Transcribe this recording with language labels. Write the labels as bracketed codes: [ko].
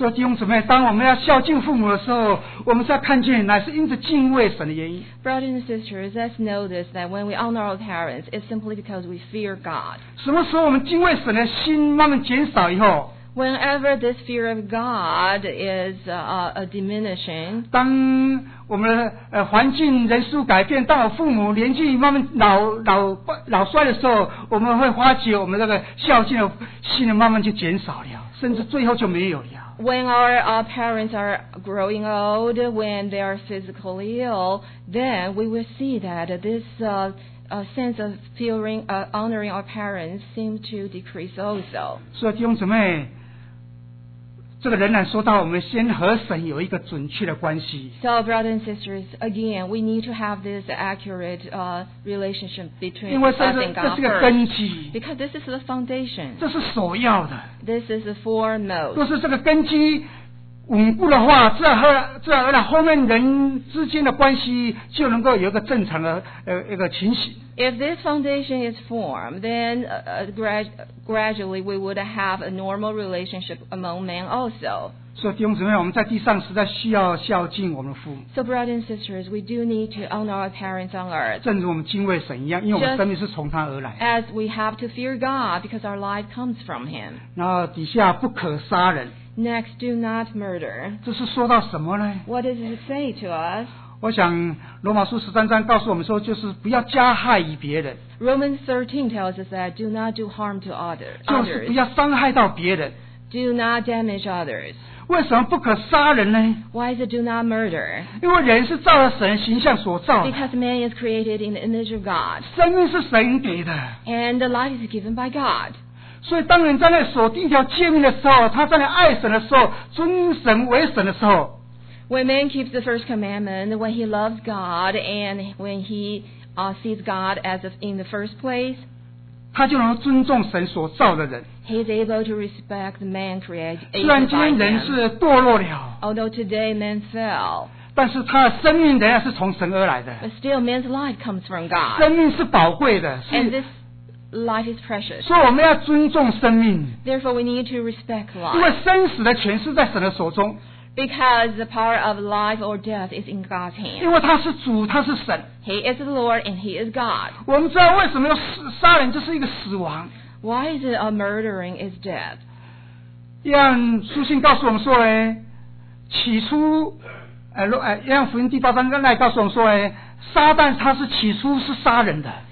[zh] 所以弟兄姊妹，当我们要孝敬父母的时候，我们是要看见乃是因着敬畏神的原因。 [en] Brothers and sisters, let's notice that when we honor our parents, it's simply because we fear God. [zh] 什么时候我们敬畏神的心慢慢减少以后？ [en] Whenever this fear of God is diminishing, [zh] 当我们的环境人数改变，当我父母年纪慢慢老衰的时候，我们会发觉我们这个孝敬的心慢慢就减少了，甚至最后就没有了。 [en] When our parents are growing old, when they are physically ill, then we will see that this sense of fearing honoring our parents seem to decrease also. [zh] 所以弟兄姊妹。这个仍然说到我们先和神有一个准确的关系。 [en] So, brothers and sisters, again, we need to have this accurate relationship between us and God. [zh] 因为这是个根基。 [en] Because this is the foundation. [zh] 这是首要的。 [en] This is the foremost. [zh] 若是这个根基稳固的话，自然而然后面人之间的关系就能够有一个正常的一个情形。 [en] If this foundation is formed, then gradually we would have a normal relationship among men also. [zh] 所以弟兄姊妹，我们在地上实在需要孝敬我们父母。 [en] So brothers and sisters, we do need to honor our parents on earth. [zh] 正如我们敬畏神一样，因为我们生命是从他而来。 [en] Just as we have to fear God because our life comes from Him. [zh] 然后底下不可杀人。 [en] Next, do not murder. [zh] 这是说到什么呢？ [en] What does it say to us? [zh] 我想罗马书十三章告诉我们说，就是不要加害于别人。 [en] Romans 13 tells us that do not do harm to others. [zh] 就是不要伤害到别人。 [en] Do not damage others. [zh] 为什么不可杀人呢？ [en] Why is it do not murder? [zh] 因为人是照着神形象所造的。 [en] Because man is created in the image of God. [zh] 生命是神给的。 [en] And the life is given by God. [zh] 所以当人在那守第一条诫命的时候，他在那爱神的时候，尊神为神的时候。 [en] When man keeps the first commandment, when he loves God, and when he sees God as in the first place, [zh] 他就能尊重神所造的人。 [en] He's able to respect the man created by him. [zh] 虽然今天人是堕落了。 [en] Although today man fell. [zh] 但是他的生命仍然是从神而来的。 [en] But still man's life comes from God. [zh] 生命是宝贵的。 [en] And this life is precious. [zh] 所以我们要尊重生命。 [en] Therefore we need to respect life. [zh] 因为生死的权是在神的手中。 [en] Because the power of life or death is in God's hands. [zh] 因为他是主，他是神。 [en] He is the Lord and He is God. [zh] 我们知道为什么要杀人，就是一个死亡。 [en] Why is it a murdering is death? [zh] 让书信告诉我们说呢，起初，让福音第八章那里告诉我们说呢，撒旦他是起初是杀人的。